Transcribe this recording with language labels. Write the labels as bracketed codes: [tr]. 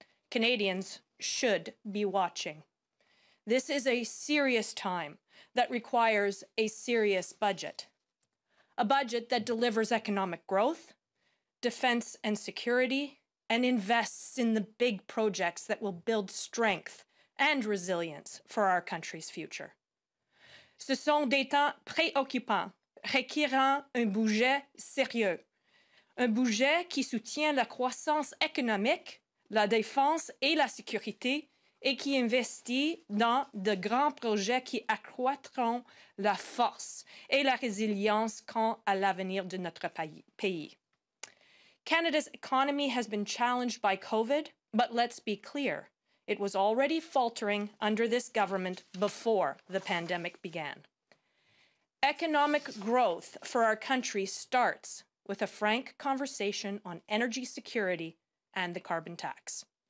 [en] Canadians should be watching. This is a serious time that requires a serious budget. A budget that delivers economic growth, defense and security, and invests in the big projects that will build strength and resilience for our country's future. [fr] Ce sont des temps préoccupants, requérant un budget sérieux. Un budget qui soutient la croissance économique, la défense et la sécurité, et qui investit dans de grands projets qui accroîtront la force et la résilience quant à l'avenir de notre pays. [en] Canada's economy has been challenged by COVID, but let's be clear, it was already faltering under this government before the pandemic began. Economic growth for our country starts with a frank conversation on energy security and the carbon tax.